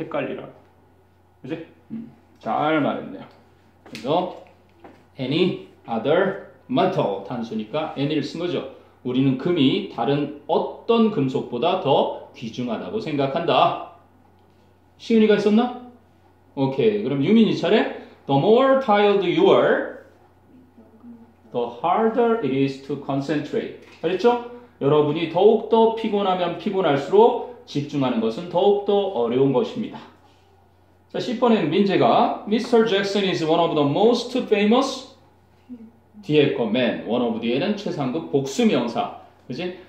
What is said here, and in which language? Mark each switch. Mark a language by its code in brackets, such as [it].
[ko] 헷갈리라고. 그치? 잘 말했네요. 그래서 any other metal 단수니까 any를 쓴 거죠. 우리는 금이 다른 어떤 금속보다 더 귀중하다고 생각한다. 시은이가 있었나? 오케이. 그럼 유민이 차례. [en] The more tired you are, the harder it is to concentrate. [ko] 알겠죠? 여러분이 더욱더 피곤하면 피곤할수록 집중하는 것은 더욱더 어려운 것입니다. 자, 10번에는 민재가 [en] Mr. Jackson is one of the most famous [ko] 뒤에 거 man, one of the는 최상급 복수명사. 그지?